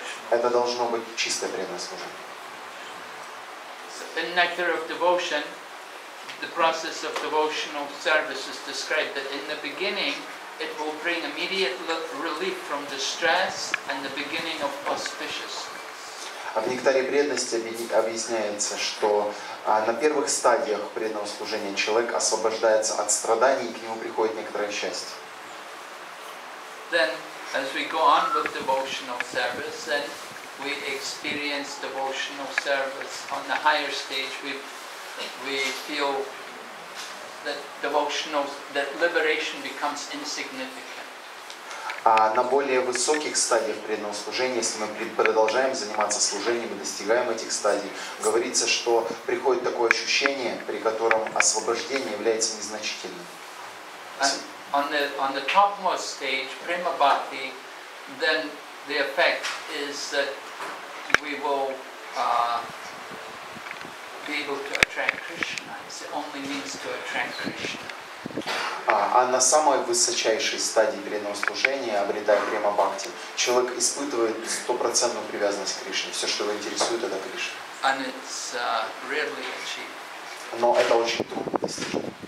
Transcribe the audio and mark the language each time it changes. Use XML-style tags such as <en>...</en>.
<ru>Это должно быть чистое преданное служение.</ru> <en>In nectar of devotion, the process of devotional service is described that in the beginning it will bring immediate relief from distress and the beginning of auspiciousness.</en> <ru>А в нектаре преданности объясняется, что на первых стадиях преданного служения человек освобождается от страданий и к нему приходит некоторое счастье.</ru> <en>Then, as we go on with devotional service, then we experience devotional service on the higher stage. We feel that liberation becomes insignificant.</en> <ru>А на более высоких стадиях преданного служения, если мы продолжаем заниматься служением и достигаем этих стадий, говорится, что приходит такое ощущение, при котором освобождение является незначительным.</ru> <en>On the topmost stage, Prema Bhakti, then the effect is that we will be able to attract Krishna. It's the only means to attract Krishna.</en> <ru>А на самой высочайшей стадии преданного служения, обретая Према Бхакти, человек испытывает 100% привязанность к Кришне. Все, что его интересует, это Кришна.</ru> <en>And it's rarely achieved.</en> <ru>Но это очень трудно достичь.</ru>